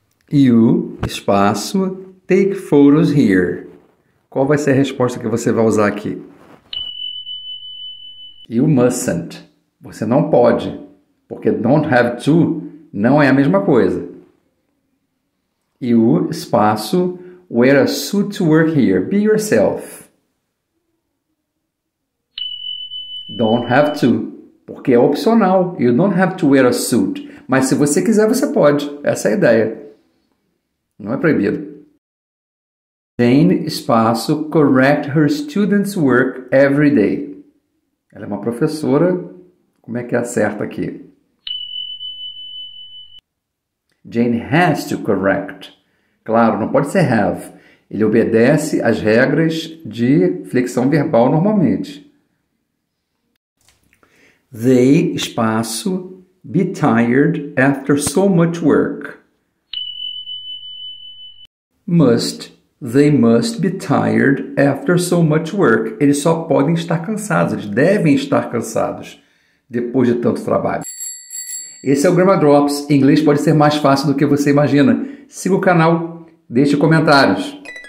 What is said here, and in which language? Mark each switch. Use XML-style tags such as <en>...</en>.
<en>You, espaço, take photos here.</en> <pt>Qual vai ser a resposta que você vai usar aqui?</pt> <en>You mustn't.</en> <pt>Você não pode. Porque</pt> <en>don't have to</en> <pt>não é a mesma coisa.</pt> <en>You, espaço, wear a suit to work here. Be yourself. Don't have to.</en> <pt>Porque é opcional.</pt> <en>You don't have to wear a suit.</en> <pt>Mas se você quiser, você pode. Essa é a ideia. Não é proibido.</pt> <en>Jane, espaço, correct her students' work every day.</en> <pt>Ela é uma professora. Como é que acerta aqui?</pt> <en>Jane has to correct.</en> <pt>Claro, não pode ser have. Ele obedece às regras de flexão verbal normalmente.</pt> <en>They, espaço, be tired after so much work. Must, they must be tired after so much work.</en> <pt>Eles só podem estar cansados, eles devem estar cansados depois de tanto trabalho. Esse é o Grammar Drops. Em inglês pode ser mais fácil do que você imagina. Siga o canal, deixe comentários.</pt>